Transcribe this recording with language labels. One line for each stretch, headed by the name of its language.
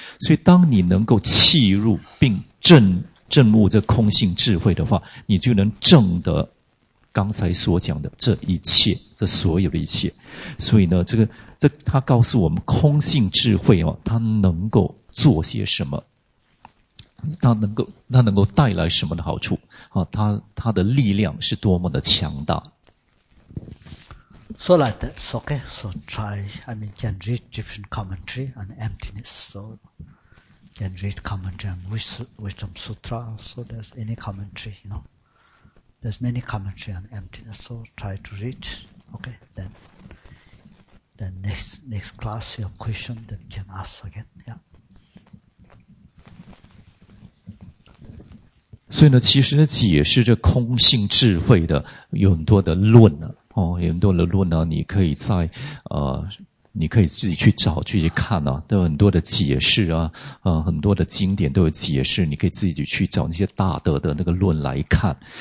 Chinese: 所以当你能够契入并证悟这空性智慧的话，你就能证得刚才所讲的这一切，这所有的一切。所以呢，这他告诉我们，空性智慧啊，它能够做些什么？它能够带来什么的好处？啊，它的力量是多么的强大！
English: So like that, so, okay, so try, I mean, can read different commentary on emptiness, so can read commentary on Wisdom Sutra, so there's any commentary, you know, there's many commentary on emptiness, so try to read, okay, then next class, your question, then you can ask again, yeah.
Chinese: 所以呢，其实呢，解释这空性智慧的有很多的论呢、啊，哦，有很多的论呢、啊，你可以在你可以自己去找去看啊，都有很多的解释啊，很多的经典都有解释，你可以自己去找那些大德的那个论来看。